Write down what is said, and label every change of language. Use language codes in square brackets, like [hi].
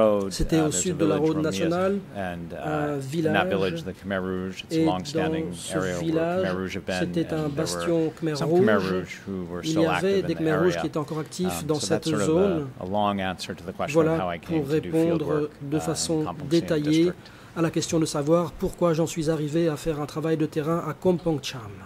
[fr] C'était au sud de la route nationale, village, [en] the Khmer Rouge, it's a long-standing area village, where Khmer Rouge have been, [fr] c'était un bastion Khmer Rouge. Il y avait des Khmer Rouges qui étaient encore actifs dans cette zone. Voilà pour répondre de façon détaillée à la question de savoir pourquoi j'en suis arrivé à faire un travail de terrain à Kompong Cham.